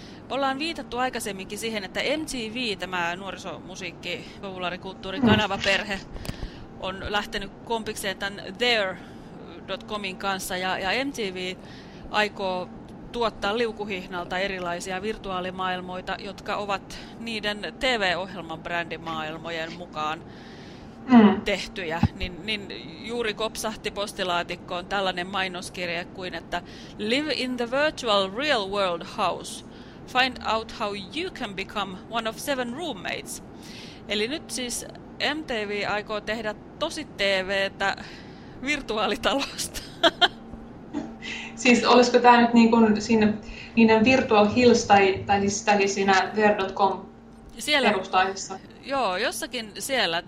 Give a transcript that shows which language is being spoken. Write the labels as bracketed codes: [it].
[fi] Ollaan viitattu aikaisemminkin siihen, että MTV, tämä nuorisomusiikki, populaarikulttuuri, kanavaperhe, on lähtenyt kompikseen tämän there.comin kanssa, ja MTV aikoo tuottaa liukuhihnalta erilaisia virtuaalimaailmoita, jotka ovat niiden TV-ohjelman brändimaailmojen mukaan tehtyjä, niin juuri kopsahti postilaatikkoon tällainen mainoskirje kuin, että [en] Live in the virtual real world house. Find out how you can become one of 7 roommates. [fi] Eli nyt siis MTV aikoo tehdä tosi TV:tä virtuaalitalosta. Siis olisiko tämä nyt niin kuin siinä niiden Virtual Hills tai siis siinä there.com perustaisessa? Joo, jossakin siellä.